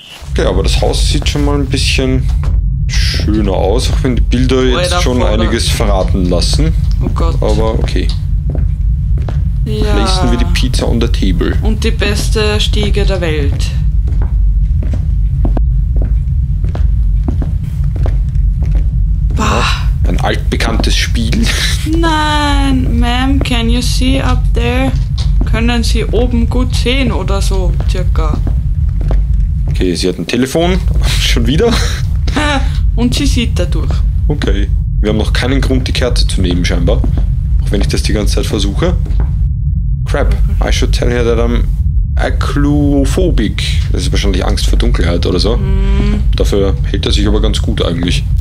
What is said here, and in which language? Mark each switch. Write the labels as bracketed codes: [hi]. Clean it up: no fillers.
[de] Okay, aber das Haus sieht schon mal ein bisschen schöner aus, auch wenn die Bilder jetzt schon einiges verraten lassen. Oh Gott. Aber okay. Ja. Placen wir die Pizza [en] on the table. [de] Und die beste Stiege der Welt. Bah. Ein altbekanntes Spiel. Nein, [en] ma'am, can you see up there? [de] Können Sie oben gut sehen oder so, circa? Okay, sie hat ein Telefon. Schon wieder. Und sie sieht dadurch. Okay. Wir haben noch keinen Grund, die Kerze zu nehmen, scheinbar. Auch wenn ich das die ganze Zeit versuche. [en] Crap, I should tell her that I'm acluophobic. [de] Das ist wahrscheinlich Angst vor Dunkelheit oder so. Mm. Dafür hält er sich aber ganz gut eigentlich.